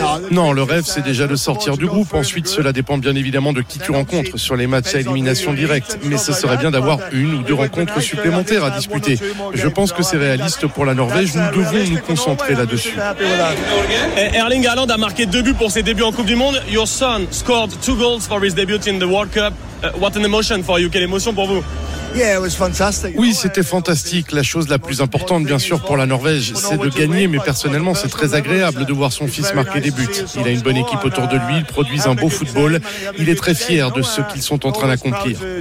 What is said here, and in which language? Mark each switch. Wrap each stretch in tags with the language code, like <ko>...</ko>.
<fr>Non, le rêve, c'est déjà de sortir du groupe. Ensuite, cela dépend bien évidemment de qui tu rencontres sur les matchs à élimination directe. Mais ce serait bien d'avoir une ou deux rencontres supplémentaires à disputer. Je pense que c'est réaliste pour la Norvège. Nous devons nous concentrer là-dessus. Erling Haaland a marqué deux buts pour ses débuts en Coupe du Monde.</fr> <en>Your son scored two goals for his debut in the World Cup. What an emotion for you.</en> <fr>Quelle émotion pour vous? Oui, c'était fantastique. La chose la plus importante, bien sûr, pour la Norvège, c'est de gagner. Mais personnellement, c'est très agréable de voir son fils marquer des buts. Il a une bonne équipe autour de lui. Ils produisent un beau football. Il est très fier de ce qu'ils sont en train d'accomplir.</fr>